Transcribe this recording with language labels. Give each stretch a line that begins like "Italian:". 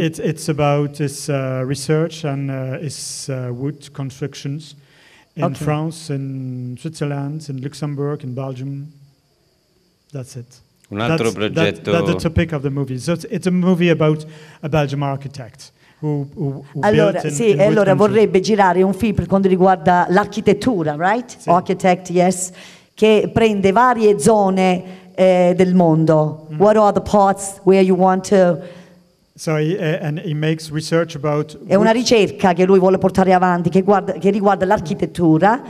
English: It's about his research and his wood constructions. In okay. France, in Switzerland, in Luxembourg, in Belgium. That's it.
Italian: Un altro
English: that's,
Italian: progetto.
English: That's the topic of the movie. So it's a movie about a Belgian architect who
Italian: allora,
English: built in,
Italian: sì,
English: in
Italian: allora Vorrebbe girare un film per quanto riguarda l'architettura, right? Sì.
English: Architect, yes.
Italian: Che prende varie zone del mondo.
English: What are the parts where you want to? So and he makes research about.
Italian: È una ricerca che lui vuole portare avanti che riguarda l'architettura.